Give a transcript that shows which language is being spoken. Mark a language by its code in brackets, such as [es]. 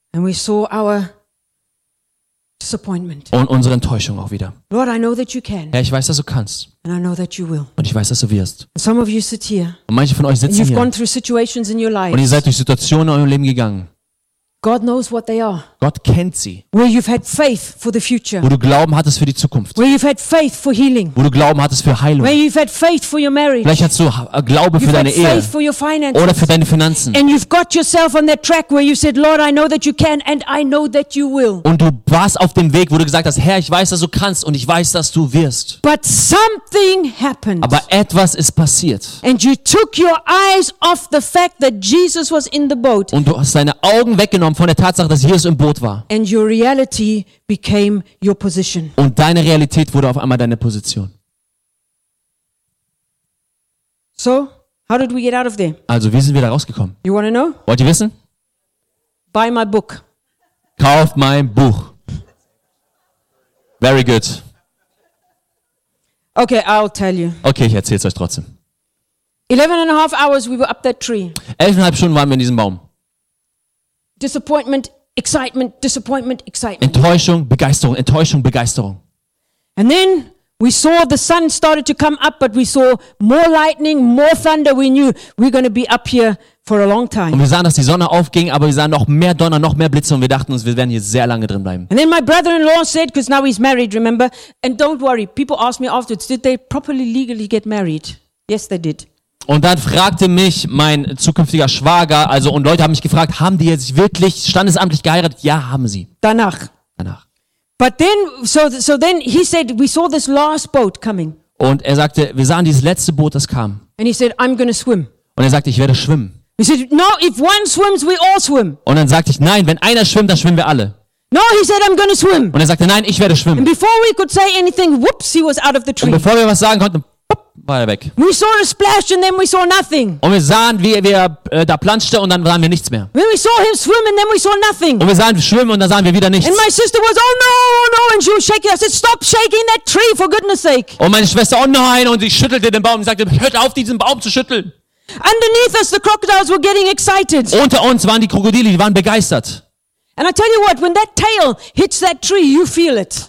[en] And we saw our disappointment. [de] Und unsere Enttäuschung auch wieder. [en] Lord, I know that you can. [de] Herr, ich weiß, dass du kannst. [en] And I know that you will. [de] Und ich weiß, dass du wirst. [en] Some of you sit here. [de] Und manche von euch sitzen [en] you've [de] hier. [en] Gone through situations in your lives. [de] Und ihr seid durch Situationen in eurem Leben gegangen. [en] God knows what they are. [de] Gott kennt sie. [en] Where you've had faith for the future. [de] Wo du Glauben hattest für die Zukunft. [en] Where you've had faith for healing. [de] Wo du Glauben hattest für Heilung. [en] Where you've had faith for your marriage. [de] Vielleicht hast du Glaube [en] you've [de] für deine [en] had faith [de] Ehe. [en] For your finances. [de] Oder für deine Finanzen. [en] And you've got yourself on that track where you said, Lord, I know that you can and I know that you will. [de] Und du warst auf dem Weg, wo du gesagt hast, Herr, ich weiß, dass du kannst und ich weiß, dass du wirst. [en] But something happened. [de] Aber etwas ist passiert. [en] And you took your eyes off the fact that Jesus was in the boat. [de] Und du hast deine Augen weggenommen von der Tatsache, dass Jesus im Boot war. [en] And your reality became your position. [de] Und deine Realität wurde auf einmal deine Position. [en] So, how did we get out of there? [de] Also, wie sind wir da rausgekommen? [en] You wanna know? [de] Wollt ihr wissen? [en] Buy my book. [de] Kauf mein Buch. [en] Very good. Okay, I'll tell you. [de] Okay, ich erzähl's euch trotzdem. [en] 11.5 hours we were up that tree. [de] 11.5 Stunden waren wir in diesem Baum. [en] Disappointment, excitement, disappointment, excitement. [de] Enttäuschung, Begeisterung, Enttäuschung, Begeisterung. [en] And then we saw the sun started to come up, but we saw more lightning, more thunder. We knew we're going to be up here for a long time. [de] Und wir sahen, dass die Sonne aufging, aber wir sahen noch mehr Donner, noch mehr Blitze, und wir dachten uns, wir werden hier sehr lange drin bleiben. [en] And then my brother-in-law said, because now he's married, remember? And don't worry, people ask me afterwards, did they properly legally get married? Yes, they did. [de] Und dann fragte mich mein zukünftiger Schwager, also, und Leute haben mich gefragt, haben die jetzt wirklich standesamtlich geheiratet? Ja, haben sie. Danach. [en] But then, so then he said, we saw this last boat coming. [de] Und er sagte, wir sahen dieses letzte Boot, das kam. [en] And he said, I'm gonna swim. [de] Und er sagte, ich werde schwimmen. [en] He said, no, if one swims, we all swim. [de] Und dann sagte ich, nein, wenn einer schwimmt, dann schwimmen wir alle. [en] No, he said, I'm gonna swim. [de] Und er sagte, nein, ich werde schwimmen. [en] And before we could say anything, whoops, he was out of the tree. [de] Und bevor wir was sagen konnten, pop, war er weg. [en] We saw a splash and then we saw nothing. [de] Und wir sahen, wie er da planschte und dann sahen wir nichts mehr. [en] When we saw him swim and then we saw nothing. [de] Und wir sahen ihn schwimmen und dann sahen wir wieder nichts. [en] And my sister was, oh no, oh no, and she was shaking. I said, stop shaking that tree, for goodness sake. [de] Und meine Schwester, oh nein, und sie schüttelte den Baum und sagte, hört auf, diesen Baum zu schütteln. [en] Underneath us, the crocodiles were getting excited. [de] Unter uns waren die Krokodile, die waren begeistert. [en] And I tell you what, when that tail hits that tree, you feel it.